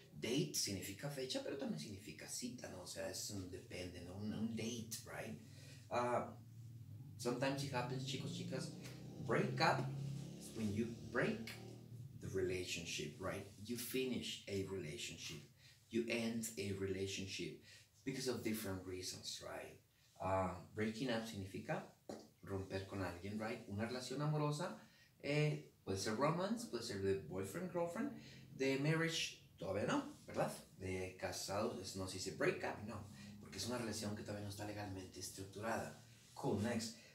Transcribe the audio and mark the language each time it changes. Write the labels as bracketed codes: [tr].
[es] Date significa fecha, pero también significa cita, ¿no? O sea, es un depende, ¿no? [en] Un date, right? Sometimes it happens, [es] chicos, chicas. [en] Break up is when you break the relationship, right? You finish a relationship. You end a relationship because of different reasons, right? [es] Breaking up significa romper con alguien, [en] right? [es] Una relación amorosa, puede ser romance, puede ser de boyfriend, girlfriend, de marriage, todavía no, ¿verdad? De casados, no se dice break up, no, porque es una relación que todavía no está legalmente estructurada. [en] Cool, next.